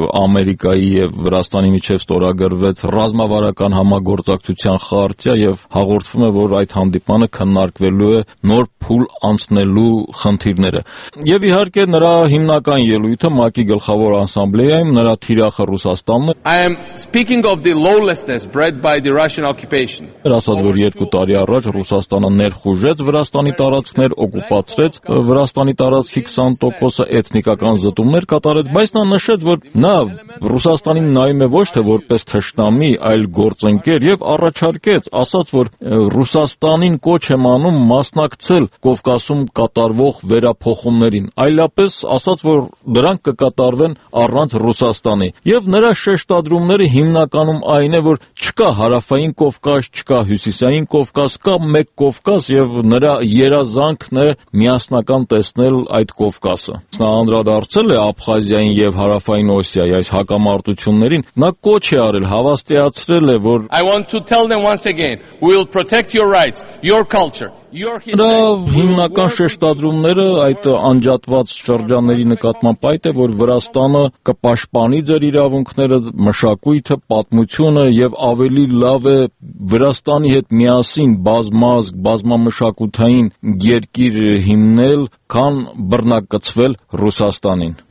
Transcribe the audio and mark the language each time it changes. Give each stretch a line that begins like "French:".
Armenian: Ամերիկայի եւ Վրաստանի միջև ստորագրվեց ռազմավարական համագործակցության խարտիա եւ հաղորդվում է, որ այդ հանդիպմանը քննարկվելու է նոր փուլ անցնելու խնդիրները։ Եվ իհարկե նրա հիմնական ելույթը ՄԱԿ-ի գլխավոր ասամբլեայում նրա թիրախը Ռուսաստանն է։
English: I am speaking of the lawlessness bred by the Russian occupation։
Armenian: Ասած, որ 2 տարի առաջ Ռուսաստանը ներխուժեց Վրաստանի տարածքներ, օկուպացրեց Վրաստանի տարածքի 20%-ը էթնիկական զտումներ կատարեց, բայց նա նշեց, որ նա Ռուսաստանին նայում է ոչ թե որպես թշնամի, այլ գործընկեր եւ առաջարկեց, ասաց, որ Ռուսաստանին կոչ եմ անում մասնակցել Կովկասում կատարվող վերափոխումներին, այլապես ասաց, որ դրանք կկատարվեն առանց Ռուսաստանի։ Եվ նրա շեշտադրումները հիմնականում այն է, որ չկա հարավային Կովկաս, չկա հյուսիսային Կովկաս, կա մեկ Կովկաս եւ նրա երազանքն է միասնական տեսնել այդ Կովկասը։ Նա անդրադարձել է Աբխազիային եւ Հարավային Օսիայի այս հակամարտություններին, նա կոչ է արել, հավաստիացրել է, որ
English: I want to tell them once again, we will protect your rights, your culture.
Armenian: Դա հիմնական շեշտադրումները այդ անջատված շրջանների նկատմամբ այդ է, որ Վրաստանը կպաշտպանի ձեր իրավունքները, մշակույթը, պատմությունը եւ ավելի լավ է Վրաստանի հետ միասին բազմազգ, բազմամշակութային երկիր հիմնել, քան բռնակցվել Ռուսաստանին։